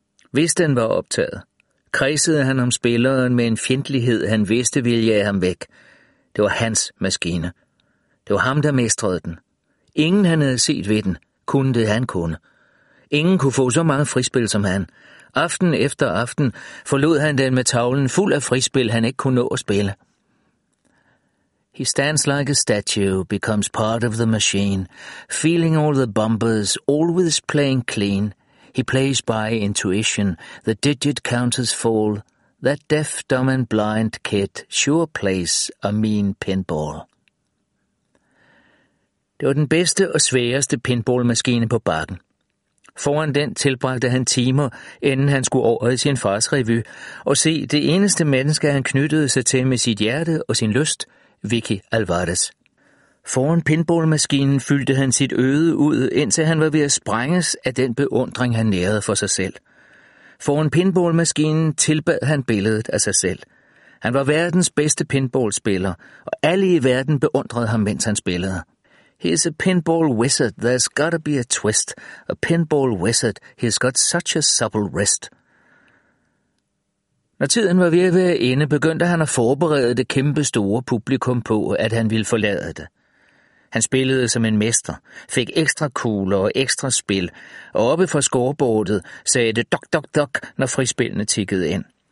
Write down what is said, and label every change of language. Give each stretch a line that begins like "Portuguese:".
Danish: Hvis den var optaget, kredsede han om spilleren med en fjendtlighed, han vidste ville jage ham væk. Det var hans maskine. Det var ham, der mestrede den. Ingen han havde set ved den, kunne det han kunne. Ingen kunne få så mange frispil som han. Aften efter aften forlod han den med tavlen fuld af frispil, han ikke kunne nå at spille.
English: He stands like a statue, becomes part of the machine, feeling all the bumpers, always playing clean. He plays by intuition, the digit counters fall. That deaf, dumb and blind kid sure plays a mean pinball.
Danish: Det var den bedste og sværeste pinballmaskine på bakken. Foran den tilbragte han timer, inden han skulle over i sin fars revy, og se det eneste menneske, han knyttede sig til med sit hjerte og sin lyst, Vicky Alvarez. Foran pinballmaskinen fyldte han sit øde ud, indtil han var ved at sprænges af den beundring, han nærede for sig selv. Foran pinballmaskinen tilbad han billedet af sig selv. Han var verdens bedste pinballspiller, og alle i verden beundrede ham, mens han spillede.
English: He's a pinball wizard, there's gotta be a twist. A pinball wizard, he's got such a supple wrist.
Danish: Når tiden var ved at ende, begyndte han at forberede det kæmpe store publikum på, at han ville forlade det. Han spillede som en mester, fik ekstra kugler og ekstra spil, og oppe fra scorebordet sagde det dok, dok, dok, når frispillene tikkede ind.